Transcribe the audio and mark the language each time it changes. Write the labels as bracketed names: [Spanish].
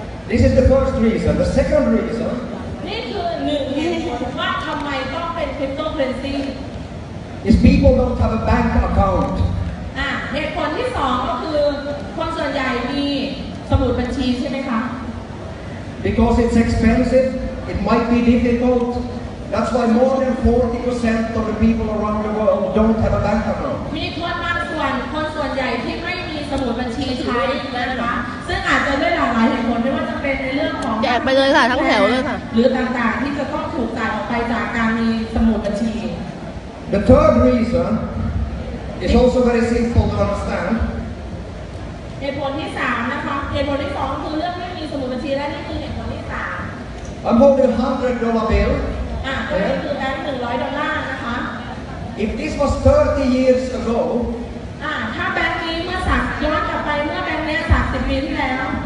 [English] This is the first reason. The second reason. [Thai] นี่คือหนึ่งเหตุผลว่าทำไมต้องเป็นคริปโตเคอเรนซี [English] Is people don't have a bank account. [Thai] เหตุผลที่สองก็คือคนส่วนใหญ่มีสมุดบัญชีใช่ไหมคะ [English] Because it's expensive. It might be difficult. That's why more than 40% of the people around the world don't have a bank account. [Thai] มีคนบางส่วนคนส่วนใหญ่ที่ไม่มีสมุดบัญชีใช้แล้วนะคะซึ่งอาจจะด้วยหลากหลายเหตุผลไม่ว่าจะเป็นในเรื่องของ แจกไปเลยค่ะทั้งแถวเลยค่ะ หรือต่างๆที่จะต้องถูกตัดออกไปจากการมีสมุดบัญชี [English] The third reason is also very simple to understand. [Thai] เหตุผลที่3นะคะเหตุผลที่2คือเรื่องไม่มีสมุดบัญชีและนี่คือเหตุผลที่3 [English] I'm holding $100 bill. [Thai] คือแบงค์$100นะคะ [English] If this was 30 years ago. [Thai] ถ้าแบงค์นี้เมื่อสักย้อนกลับไปเมื่อแบงค์นี้30ปีที่แล้ว